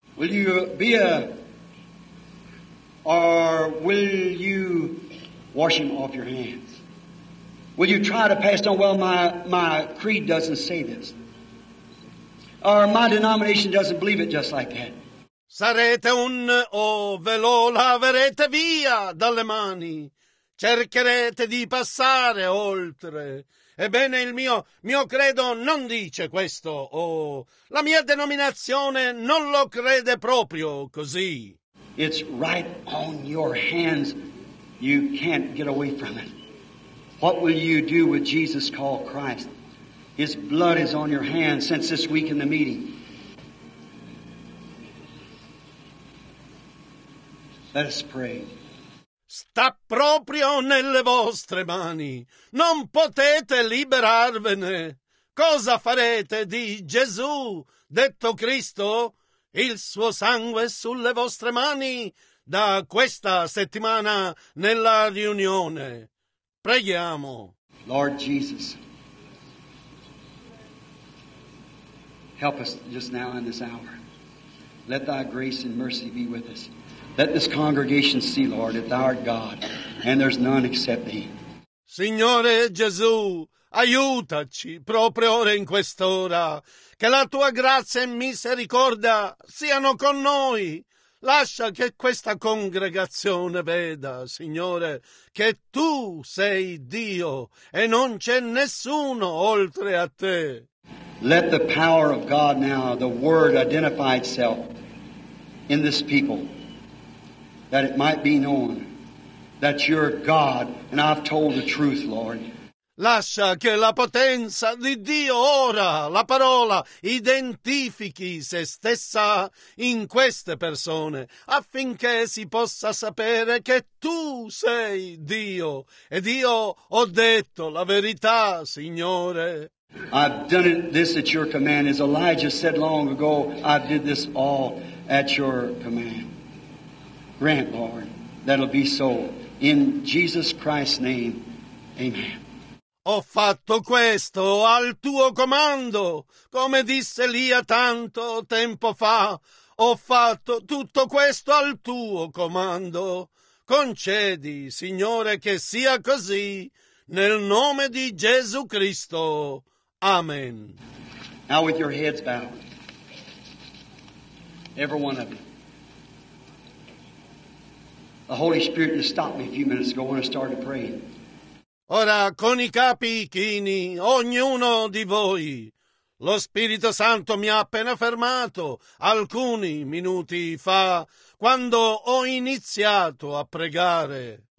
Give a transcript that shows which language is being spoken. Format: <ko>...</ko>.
<en>Will you be a, or will you wash him off your hands? Will you try to pass on, well, my creed doesn't say this. Or my denomination doesn't believe it just like that.</en> <it>Sarete un ve lo laverete via dalle mani, cercherete di passare oltre Ebbene, il mio credo non dice questo, o la mia denominazione non lo crede proprio così.</it> <en>It's right on your hands. You can't get away from it. What will you do with Jesus called Christ? His blood is on your hands since this week in the meeting. Let us pray.</en> <it>Sta proprio nelle vostre mani. Non potete liberarvene. Cosa farete di Gesù, detto Cristo? Il suo sangue sulle vostre mani da questa settimana nella riunione. Preghiamo.</it> <en>Lord Jesus, help us just now in this hour. Let thy grace and mercy be with us. Let this congregation see, Lord, that thou art God, and there's none except thee.</en> <it>Signore Gesù, aiutaci proprio ora in quest'ora, che la tua grazia e misericordia siano con noi. Lascia che questa congregazione veda, Signore, che tu sei Dio e non c'è nessuno oltre a te.</it> <en>Let the power of God now, the word, identify itself in this people, that it might be known that you're God and I've told the truth, Lord.</en> <it>Lascia che la potenza di Dio ora, la parola, identifichi se stessa in queste persone, affinché si possa sapere che tu sei Dio. Ed io ho detto la verità, Signore.</it> <en>I've done it, this at your command. As Elijah said long ago, I did this all at your command. Grant, Lord, that'll be so. In Jesus Christ's name, amen.</en> <it>Ho fatto questo al tuo comando, come disse Elia tanto tempo fa. Ho fatto tutto questo al tuo comando. Concedi, Signore, che sia così, nel nome di Gesù Cristo. Amen.</it> <en>Now with your heads bowed, every one of you. The Holy Spirit just stopped me a few minutes ago when I started praying.</en> <it>Ora, con i capi chini, ognuno di voi, lo Spirito Santo mi ha appena fermato alcuni minuti fa, quando ho iniziato a pregare.</it>